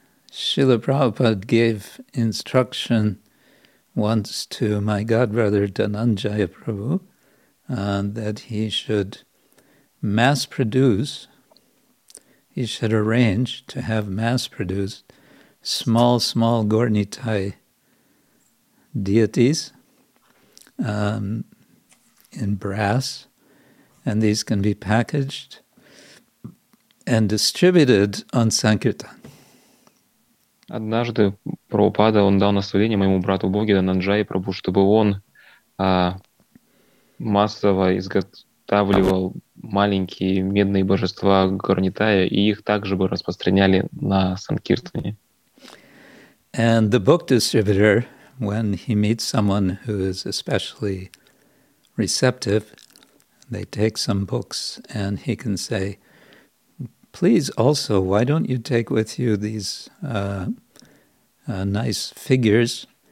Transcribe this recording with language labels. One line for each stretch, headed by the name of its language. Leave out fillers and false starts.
English: Srila Prabhupada gave instruction once to my godbrother Dhananjaya Prabhu that he should mass produce, he should arrange to have mass produced small Gurni Tai deities in brass, and these can be packaged and distributed on Sankirtan.
Russian: Однажды Прабхупада, он дал наставление моему брату Боге Дананджае Прабху, чтобы он массово изготавливал маленькие медные божества Гурни Тая, и их также бы распространяли на Санкиртане.
English: And the book distributor, when he meets someone who is especially receptive, they take some books and he can say, please also, why don't you take with you these nice figures?